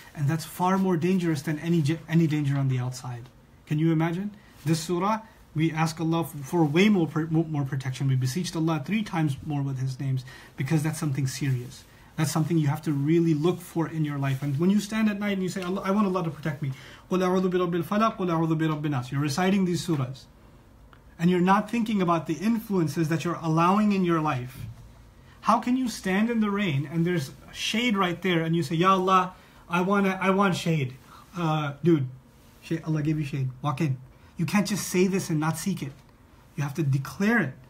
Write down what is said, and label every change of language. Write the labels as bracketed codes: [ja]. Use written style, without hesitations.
[en] And that's far more dangerous than any danger on the outside. Can you imagine? This surah, we ask Allah for way more protection. We beseech Allah three times more with His names, because that's something serious. That's something you have to really look for in your life. And when you stand at night and you say, Allah, I want Allah to protect me. [ar] قُلْ أَعُوذُ بِرَبِّ الْفَلَقِ قُلْ أَعُوذُ بِرَبِّ النَّاسِ [en] You're reciting these surahs. And you're not thinking about the influences that you're allowing in your life. How can you stand in the rain and there's shade right there and you say, Ya Allah, I want shade. Allah gave you shade. Walk in. You can't just say this and not seek it. You have to declare it.